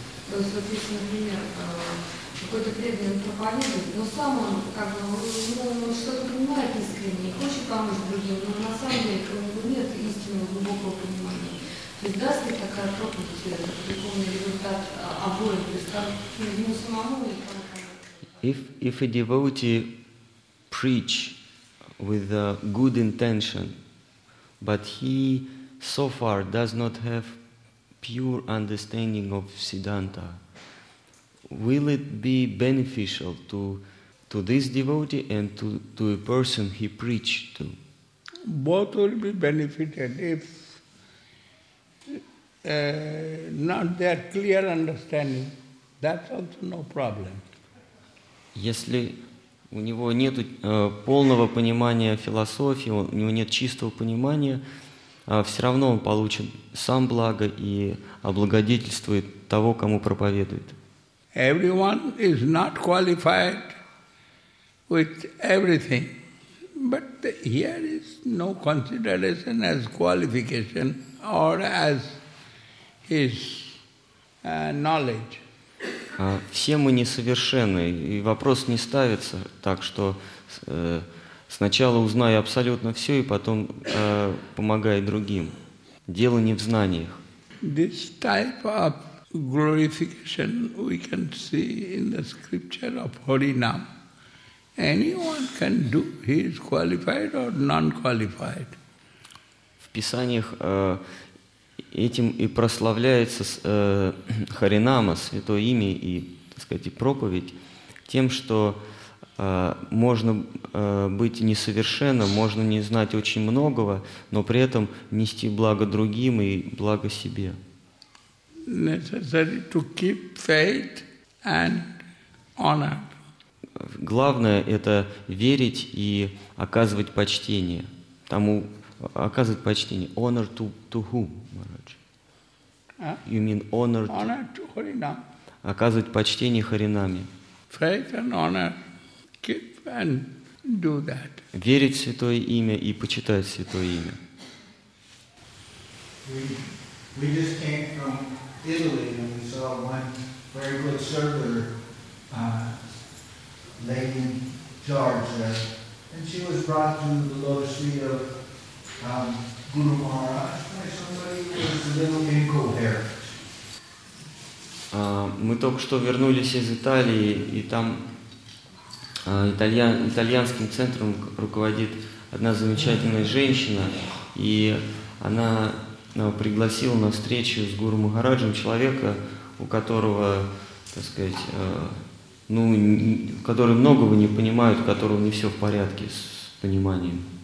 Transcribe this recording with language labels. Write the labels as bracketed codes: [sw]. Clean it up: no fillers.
[ru] То есть, вот если, например, какой-то преданный проповедник, но сам он как бы что-то понимает искренне и хочет помочь другим, но на самом деле у него нет истинного глубокого понимания. То есть даст ли такая проповедь духовный результат обоим, то есть как ему самому или как? [en] If a devotee preach with a good intention, but he so far does not have pure understanding of Siddhanta, will it be beneficial to this devotee and to a person he preached to? Both will be benefited if not their clear understanding, that's also no problem. [ru] Если у него нет полного понимания философии, у него нет чистого понимания, все равно он получит сам благо и облагодетельствует того, кому проповедует. [en] Everyone is not qualified with everything. But here is no consideration as qualification or as his knowledge. [ru] Все мы несовершенны, и вопрос не ставится так, что сначала узнай абсолютно все, и потом помогай другим. Дело не в знаниях. [en] This type of glorification we can see in the scripture of Harinam. Anyone can do, he is qualified or non-qualified. [ru] В писаниях этим и прославляется Харинама, святое имя и, так сказать, и проповедь, тем, что можно быть несовершенным, можно не знать очень многого, но при этом нести благо другим и благо себе. [en] Necessary to keep faith and honor. [ru] Главное – это верить и оказывать почтение тому, оказывать почтение. [en] Honor to whom, Maharaj? You mean honor to... Honor to Harinam. [ru] Оказывать почтение Харинаме. [en] Faith and honor. Keep and do that. [ru] Верить в Святое Имя и почитать Святое Имя. [en] We just came from Italy and we saw one very good server lady in charge there. And she was brought to the lotus feet of Guru Maharaj, somebody was a little incoherent. [ru] Мы только что вернулись из Италии, и там итальянским центром руководит одна замечательная женщина, и она пригласила на встречу с Гуру Махараджем человека, у которого, так сказать, который многого не понимает, у которого не все в порядке с пониманием.